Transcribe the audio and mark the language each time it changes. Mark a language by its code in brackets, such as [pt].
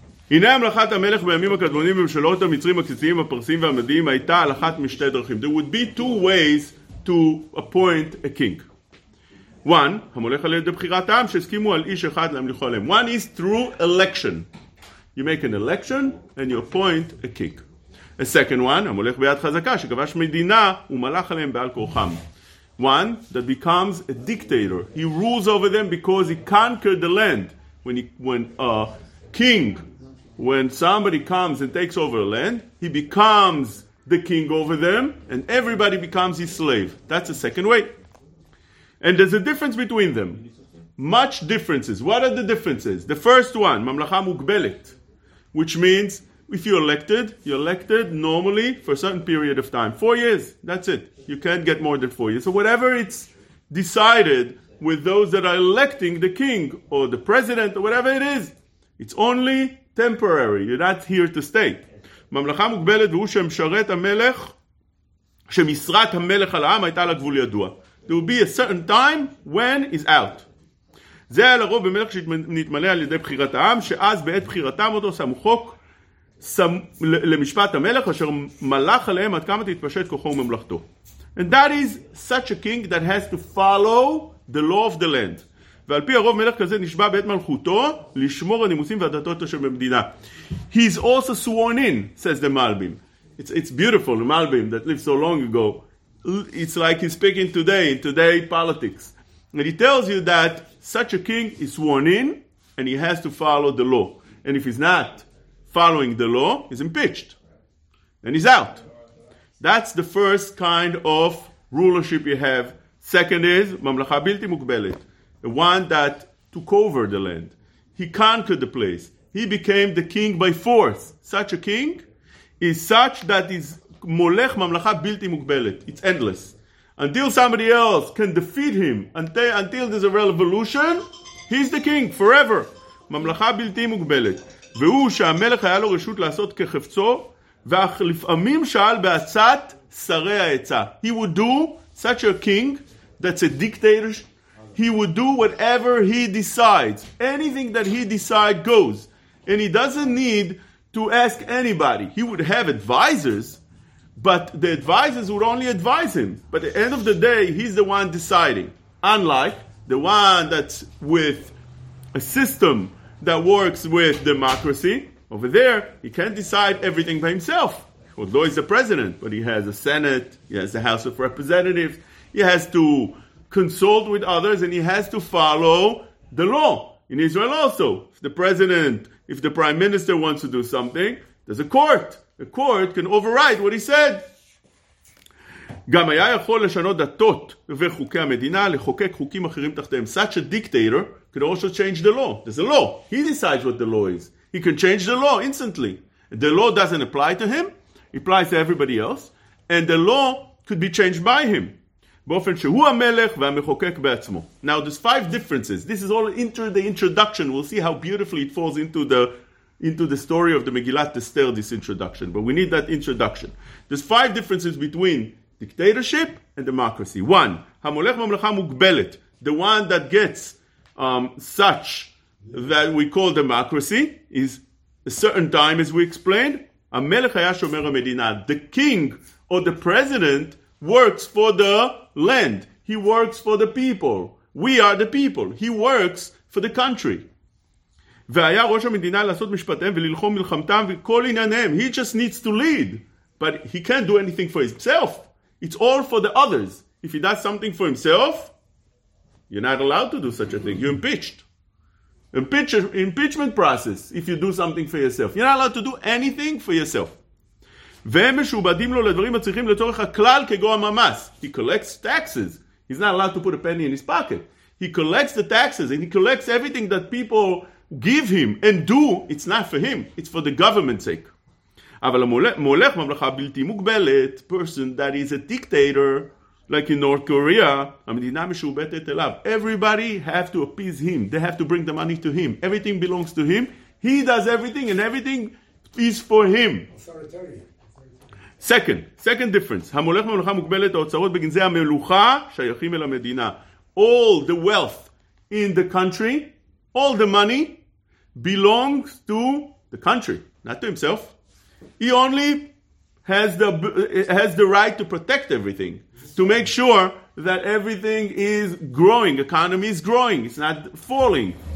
[he] הנה המלכת המלך בימים הקדמונים ממשלות המצרים הקציציים הפרסים והמדיים הייתה על אחת משתי דרכים. [en] There would be two ways to appoint a king. One, [he] המולך על ידי בחירת העם שהסכימו על איש אחד להמליכו עליהם. [en] One is through election. You make an election and you appoint a king. A second one, [he] המולך ביד חזקה שכבש מדינה ומלך עליהם בעל כורחם. [en] One that becomes a dictator. He rules over them because he conquered the land. When somebody comes and takes over land, he becomes the king over them, and everybody becomes his slave. That's the second way. And there's a difference between them. Much differences. What are the differences? The first one, [he] Mamlacha Mugbelet, [en] which means if you're elected normally for a certain period of time. 4 years, that's it. You can't get more than 4 years. So whatever it's decided with those that are electing the king or the president or whatever it is, it's only temporary. You're not here to stay. [he] ממלכה מוגבלת והוא שמשרת המלך, שמשרת המלך על העם הייתה לגבול ידוע. [en] There will be a certain time when he's out. [he] זה היה לרוב במלך שנתמלא על ידי בחירת העם, שאז בעת בחירתם אותו שם חוק למשפט המלך, אשר מלך עליהם עד כמה תתפשט כוחו וממלכתו. [en] And that is such a king that has to follow the law of the land. [he] ועל פי הרוב מלך כזה נשבע בית מלכותו לשמור הנימוסים והדתות של במדינה. [en] He's also sworn in, says the Malbim. It's beautiful, the Malbim that lived so long ago. It's like he's speaking today, in today politics. And he tells you that such a king is sworn in and he has to follow the law. And if he's not following the law, he's impeached. And he's out. That's the first kind of rulership you have. Second is, [he] ממלכה בלתי מוגבלת. [en] The one that took over the land. He conquered the place. He became the king by force. Such a king is such that is [he] molech mamlacha bilti mugbelet. [en] It's endless. Until somebody else can defeat him, until there's a revolution, he's the king forever. [he] Mamlacha bilti mugbelet. והוא שהמלך היה לו רשות לעשות כחפצו, ואך לפעמים שאל בעצת שרי העצה. [en] He would do such a king that's a dictator. He would do whatever he decides. Anything that he decides goes. And he doesn't need to ask anybody. He would have advisors, but the advisors would only advise him. But at the end of the day, he's the one deciding. Unlike the one that's with a system that works with democracy, over there, he can't decide everything by himself. Although he's the president, but he has a Senate, he has the House of Representatives, he has to consult with others, and he has to follow the law. In Israel also, if the prime minister wants to do something, there's a court. The court can override what he said. [he] גם היה יכול לשנות דתות וחוקי המדינה, לחוקק חוקים אחרים תחתיהם. [en] Such a dictator can also change the law. There's a law. He decides what the law is. He can change the law instantly. The law doesn't apply to him. It applies to everybody else. And the law could be changed by him. [he] באופן שהוא המלך והמחוקק בעצמו. [en] Now, there's five differences. This is all into the introduction. We'll see how beautifully it falls into the story of the Megillat Esther, this introduction. But we need that introduction. There's five differences between dictatorship and democracy. One, [he] המולך ממלכה מוגבלת, [en] the one that gets such that we call democracy, is a certain time, as we explained. [he] המלך היה שומר המדינה, [en] the king or the president works for the land. He works for the people. We are the people. He works for the country. [he] והיה ראש המדינה לעשות משפטיהם וללחום מלחמתם וכל ענייניהם. [en] He just needs to lead. But he can't do anything for himself. It's all for the others. If he does something for himself, you're not allowed to do such a thing. You're impeached. Impeachment process if you do something for yourself. You're not allowed to do anything for yourself. He collects taxes. He's not allowed to put a penny in his pocket. He collects the taxes and he collects everything that people give him and do. It's not for him. It's for the government's sake. [he] אבל מולך ממלכה בלתי מוגבלת, [en] person that is a dictator, like in North Korea, [he] המדינה משובטת אליו. [en] Everybody have to appease him. They have to bring the money to him. Everything belongs to him. He does everything and everything is for him. Second difference. [he] המולך ממלכה מוגבלת, האוצרות בגנזי המלוכה שייכים אל המדינה. [en] All the wealth in the country, all the money belongs to the country, not to himself. He only has the right to protect everything, to make sure that everything is growing, economy is growing, it's not falling.